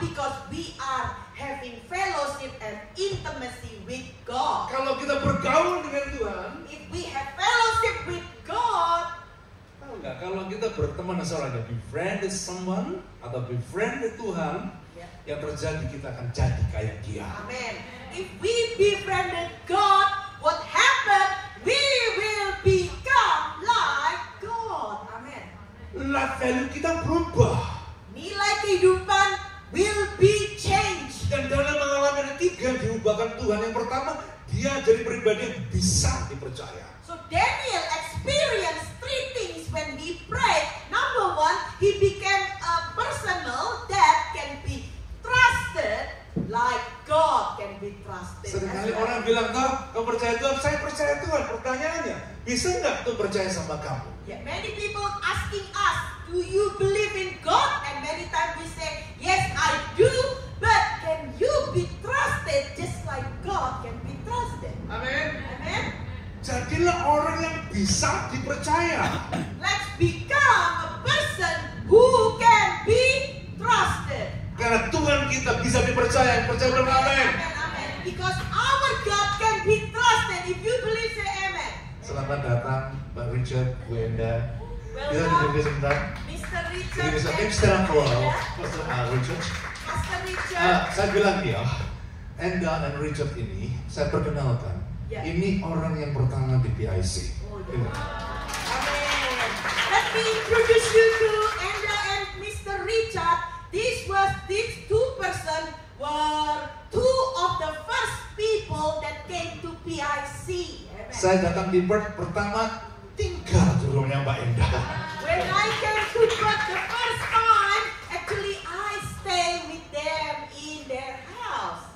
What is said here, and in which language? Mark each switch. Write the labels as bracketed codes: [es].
[en] Because we are having fellowship and intimacy with God. [id] Kalau kita bergaul dengan Tuhan, [en] if we have fellowship with God. [id] Enggak, kalau kita berteman seorang yang [en] befriended someone [id] atau befriended Tuhan, yeah. Yang terjadi kita akan jadi kayak dia. [en] Amen. If we befriended God, what happened? We will become like God. Amen. Life value [id] kita berubah. Nilai kehidupan [en] will be changed. [id] Dan dalam mengalami ada tiga diubahkan Tuhan. Yang pertama, dia jadi pribadi yang bisa dipercaya. [en] So Daniel experienced three things when he prayed. Number one, he became a personal that can be trusted like God can be trusted. [id] Seringkali well. Orang bilang, kau percaya Tuhan? Saya percaya Tuhan. Pertanyaannya, bisa enggak Tuhan percaya sama kamu? [en] Yeah, many people asking us, do you believe in God? And many times we say, yes I do, but can you be trusted just like God can be trusted? Amen. Amen. [id] Jadilah orang yang bisa dipercaya. [en] Let's become a person who can be trusted. [id] Karena Tuhan kita bisa dipercaya. Percaya belum? Amen. [en] Amen, amen. Because our God can be trusted. If you believe, say amen. [id] Selamat datang, Pak Richard, Bu Enda. [en] Welcome, Mr. Richard. [id] Saya bilang dia, Enda dan Richard ini, saya perkenalkan. Yeah. Ini orang yang pertama di PIC. Oh, [en] yeah. Yeah. Amen. Let me introduce you to Enda and Mr. Richard. These two person were two of the first people that came to PIC. Amen. [id] Saya datang di Perth pertama tinggal di rumahnya Mbak Enda. [en] When I came to Perth the first time, actually I stay with them in their house.